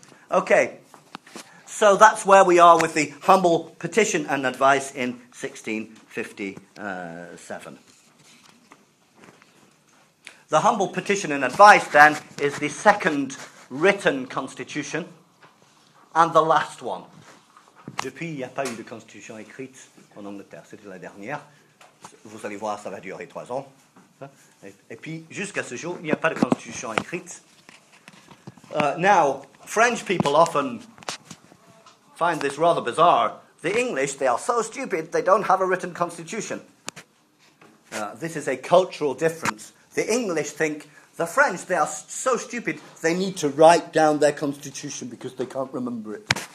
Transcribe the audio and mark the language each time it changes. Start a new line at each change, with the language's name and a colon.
English: Okay. So that's where we are with the humble petition and advice in 1657. The humble petition and advice, then, is the second written constitution and the last one.
French: Depuis, il n'y a pas eu de constitution écrite en Angleterre. C'était la dernière. Vous allez voir, ça va durer 3 ans. Et puis, jusqu'à ce jour, il n'y a pas de constitution écrite.
English: Now, French people often find this rather bizarre. The English, they are so stupid, they don't have a written constitution. This is a cultural difference. The English think, the French, they are so stupid, they need to write down their constitution because they can't remember it.